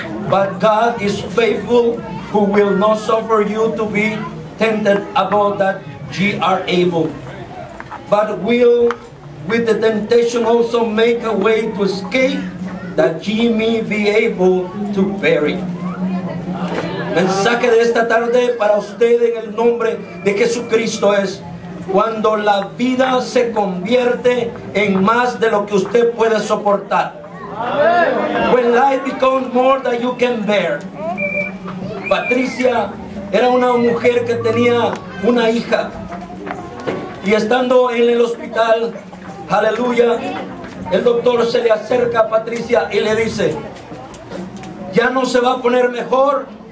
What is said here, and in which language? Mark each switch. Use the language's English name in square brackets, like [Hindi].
[English] But God is faithful, who will not suffer you to be tempted above that ye are able, but will with the temptation also make a way to escape, that ye may be able to bear it. [Spanish] Mensaje de esta tarde para usted en el nombre de Jesucristo es: cuando la vida se convierte en más de lo que usted puede soportar. [English] When life becomes more than you can bear. [Spanish] Patricia era una mujer que tenía una hija. Y estando en el hospital, aleluya, el doctor se le acerca a Patricia y le dice: ya no se va a poner mejor.